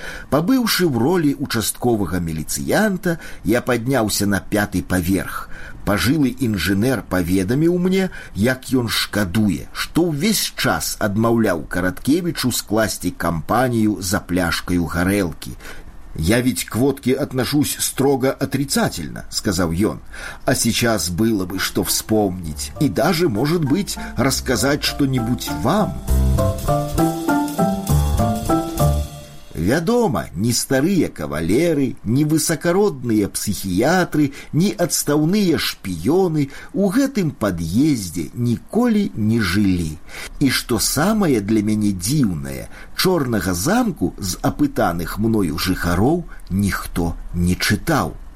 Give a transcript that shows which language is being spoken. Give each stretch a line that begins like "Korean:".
Belarusian: Пабыўшы ў ролі участковага міліцыянта, я падняўся на 5-й паверх. Пажылы інжынер паведаміў мне, як ён шкадуе, што ўвесь час адмаўляў Караткевічу скласці кампанію за пляшкаю гарэлкі.
Russian: «Я ведь к водке отношусь строго отрицательно», — сказал он. «А сейчас было бы что вспомнить и даже, может быть, рассказать что-нибудь вам».
Belarusian: Вядома, ні старыя кавалеры, ні высакародныя псіхіятры, ні адстаўныя шпіёны ў гэтым пад'ездзе ніколі не жылі. І што самае для мяне дзіўнае, чорнага замку з апытаных мною жыхароў ніхто не чытаў.